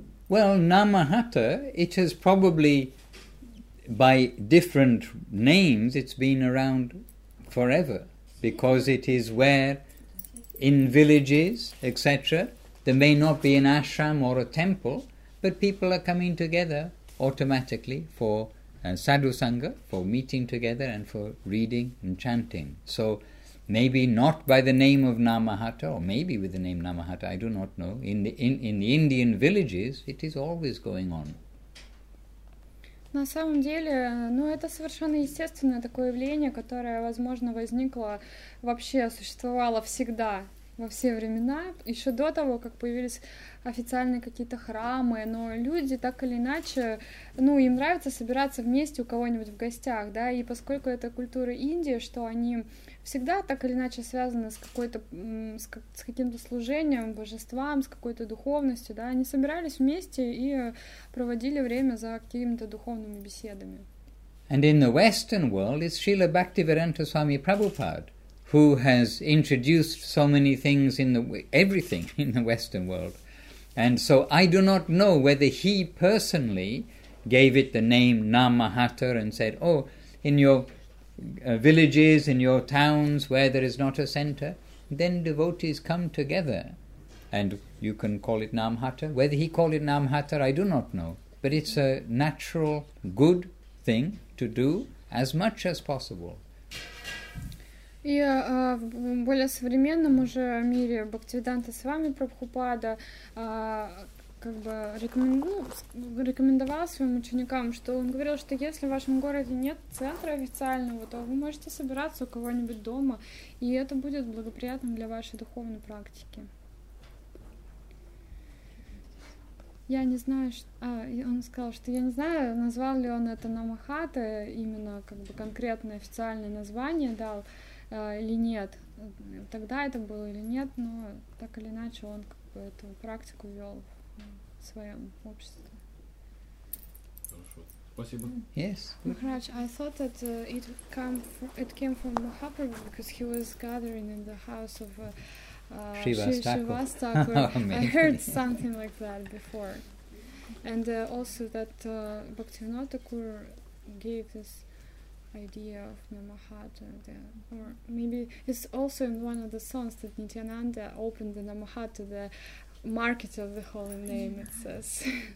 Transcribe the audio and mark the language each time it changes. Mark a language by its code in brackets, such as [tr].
[en] Well, Namahata, it has probably, by different names, it's been around forever, because it is where, in villages, etc., there may not be an ashram or a temple, but people are coming together automatically for sadhu sangha, for meeting together and for reading and chanting. So maybe not by the name of Namahata, or maybe with the name Namahata, I do not know. In the Indian villages, it is always going on. [ru] На самом деле, ну, это совершенно естественное такое явление, которое, возможно, возникло, вообще существовало всегда, во все времена, еще до того, как появились официальные какие-то храмы, но люди так или иначе, ну, им нравится собираться вместе у кого-нибудь в гостях, да, и поскольку это культура Индии, что они всегда так или иначе связаны с какой-то, с каким-то служением, божествам, с какой-то духовностью, да, они собирались вместе и проводили время за какими-то духовными беседами. And in the Western world is Srila Bhaktivedanta Swami Prabhupada, who has introduced so many things everything in the Western world. And so I do not know whether he personally gave it the name Namahata and said, oh, in your villages, in your towns where there is not a center, then devotees come together and you can call it Namahata. Whether he called it Namahata, I do not know. But it's a natural, good thing to do as much as possible. И в более современном уже мире Бхактивиданта Свами Прабхупада как бы рекомендовал своим ученикам, что он говорил, что если в вашем городе нет центра официального, то вы можете собираться у кого-нибудь дома, и это будет благоприятным для вашей духовной практики. Я не знаю, он сказал, что я не знаю, назвал ли он это Намахата, именно как бы конкретное официальное название дал, или нет, тогда это было или нет, но так или иначе он как бы эту практику вел в своем обществе. Хорошо, спасибо. [en] Yes. Maharaj, I thought that it came from Mahaprabhu, because he was gathering in the house of Srivastava. I heard something like that before. And also that Bhaktivinoda Thakur gave this idea of Namahata, or maybe it's also in one of the songs that Nityananda opened the Namahata, the market of the holy name, it says.